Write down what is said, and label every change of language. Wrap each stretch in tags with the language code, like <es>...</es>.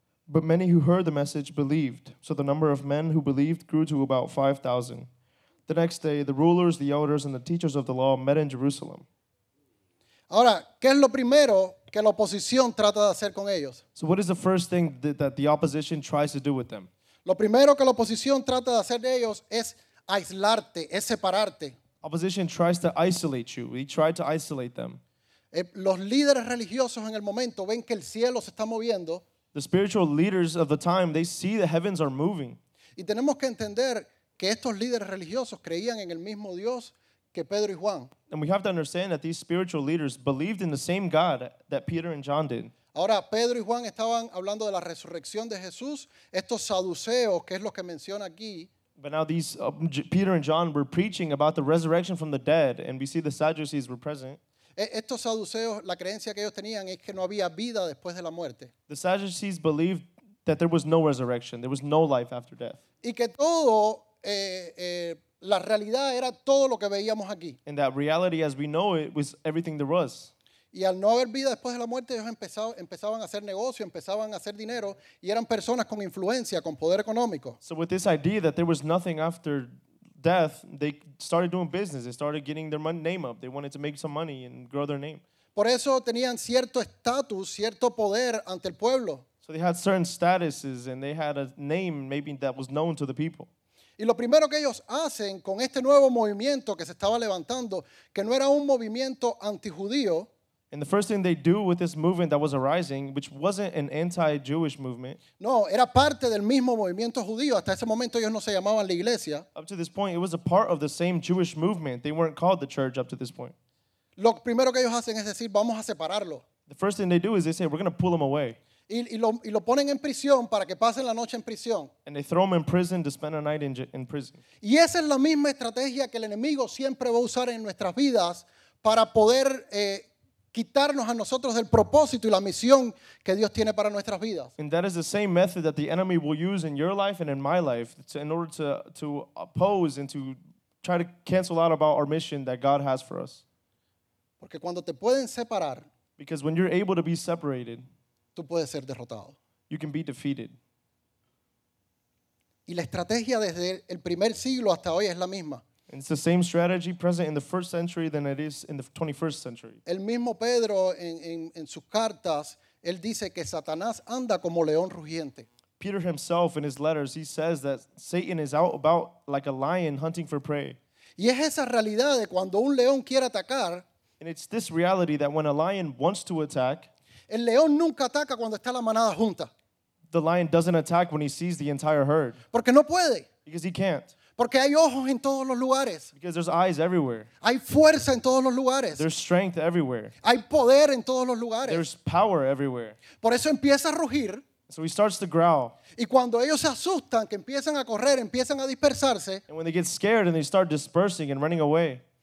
<en>But many who heard the message believed, so the number of men who believed grew to about 5,000. The next day, the rulers, the elders, and the teachers of the law met in Jerusalem.</en> <es>Ahora, ¿qué es lo primero que la oposición trata de hacer con ellos?</es> <en>So what is the first thing that the opposition tries to do with them?</en> <es>Lo primero que la oposición trata de hacer de ellos es aislarte, es separarte.</es> <en>Opposition tries to isolate you. We try to isolate them.</en> <es>Los líderes religiosos en el momento ven que el cielo se está moviendo.</es> <en>The spiritual leaders of the time, they see the heavens are moving.</en> <es>Y tenemos que entender que estos líderes religiosos creían en el mismo Dios que Pedro y Juan.</es> <en>And we have to understand that these spiritual leaders believed in the same God that Peter and John did.</en> <es>Ahora, Pedro y Juan estaban hablando de la resurrección de Jesús. Estos saduceos, que es lo que menciona aquí,</es> <en>but now these Peter and John were preaching about the resurrection from the dead, and we see the Sadducees were present.</en> <es>Estos saduceos, la creencia que ellos tenían es que no había vida después de la muerte.</es> <en>The Sadducees believed that there was no resurrection, there was no life after death.</en> <es>Y que todo, la realidad era todo lo que veíamos aquí.</es> <en>And that reality as we know it was everything there was.</en> <es>Y al no haber vida después de la muerte, ellos empezaban a hacer negocio, empezaban a hacer dinero, y eran personas con influencia, con poder económico.</es> <en>So with this idea that there was nothing after death, they started doing business, they started getting their name up, they wanted to make some money and grow their name.</en> <es>Por eso tenían cierto estatus, cierto poder ante el pueblo.</es> <en>So they had certain statuses and they had a name maybe that was known to the people.</en> <es>Y lo primero que ellos hacen con este nuevo movimiento que se estaba levantando, que no era un movimiento antijudío,</es> <en>and the first thing they do with this movement that was arising, which wasn't an anti-Jewish movement.</en> <es>No, era parte del mismo movimiento judío. Hasta ese momento ellos no se llamaban la iglesia.</es> <en>Up to this point, it was a part of the same Jewish movement. They weren't called the church up to this point.</en> <es>Lo primero que ellos hacen es decir, vamos a separarlo.</es> <en>The first thing they do is they say, we're going to pull them away.</en> <es>Y lo ponen en prisión para que pasen la noche en prisión.</es> <en>And they throw them in prison to spend a night in prison.</en> <es>Y esa es la misma estrategia que el enemigo siempre va a usar en nuestras vidas para poder quitarnos a nosotros del propósito y la misión que Dios tiene para nuestras vidas.</es> <en>And that is the same method that the enemy will use in your life and in my life in order to oppose and to try to cancel out about our mission that God has for us.</en> <es>Porque cuando te pueden separar,</es> <en>because when you're able to be separated,</en> <es>tú puedes ser derrotado.</es> <en>You can be defeated.</en> <es>Y la estrategia desde el primer siglo hasta hoy es la misma.</es> <en>It's the same strategy present in the first century than it is in the 21st century.</en> <es>El mismo Pedro en sus cartas, él dice que Satanás anda como león rugiente.</es> <en>Peter himself in his letters, he says that Satan is out about like a lion hunting for prey.</en> <es>Y es esa realidad de cuando un león quiere atacar.</es> <en>And it's this reality that when a lion wants to attack,</en> <es>el león nunca ataca cuando está la manada junta.</es> <en>The lion doesn't attack when he sees the entire herd.</en> <es>Porque no puede.</es> <en>Because he can't.</en> <es>Porque hay ojos en todos los lugares.</es> <en>Because there's eyes everywhere.</en> <es>Hay fuerza en todos los lugares.</es> <en>There's strength everywhere.</en> <es>Hay poder en todos los lugares.</es> <en>There's power everywhere.</en> <es>Por eso empieza a rugir.</es> <en>So he starts to growl.</en> <es>Y cuando ellos se asustan, que empiezan a correr, empiezan a dispersarse.</es> <en>And when they get scared and they start dispersing and running away.</en>